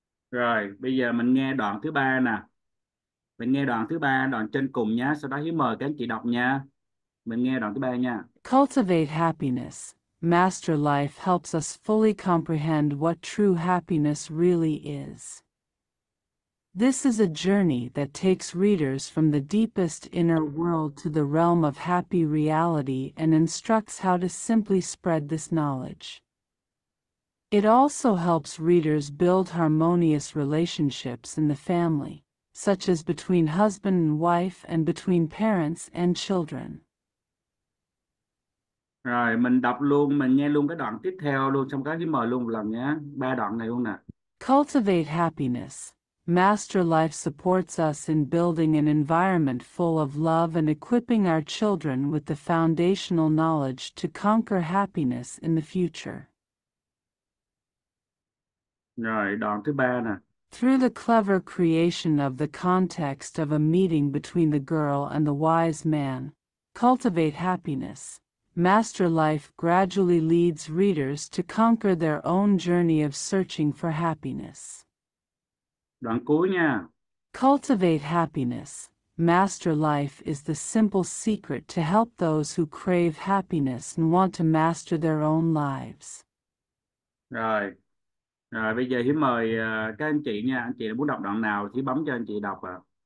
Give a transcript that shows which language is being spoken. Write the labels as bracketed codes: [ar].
[vi] Rồi, bây giờ mình nghe đoạn thứ ba nè. Mình nghe đoạn thứ ba, đoạn trên cùng nha. Sau đó Hiếu mời các anh chị đọc nha. Mình nghe đoạn thứ ba nha. [en] Cultivate happiness. Master Life helps us fully comprehend what true happiness really is. This is a journey that takes readers from the deepest inner world to the realm of happy reality and instructs how to simply spread this knowledge. It also helps readers build harmonious relationships in the family, such as between husband and wife and between parents and children. [vi] Rồi, mình đọc luôn, mình nghe luôn cái đoạn tiếp theo luôn, xong cái mời luôn một lần nhé. Ba đoạn này luôn nè. [en] Cultivate happiness. Master Life supports us in building an environment full of love and equipping our children with the foundational knowledge to conquer happiness in the future. [vi] Rồi, đoạn thứ ba nè. [en] Through the clever creation of the context of a meeting between the girl and the wise man, cultivate happiness. Master Life gradually leads readers to conquer their own journey of searching for happiness. [vi] Đoạn cuối nha. [en] Cultivate happiness. Master Life is the simple secret to help those who crave happiness and want to master their own lives. [vi] Rồi. Rồi bây giờ Hiếu mời các anh chị nha. Anh chị muốn đọc đoạn nào thì bấm cho anh chị đọc ạ.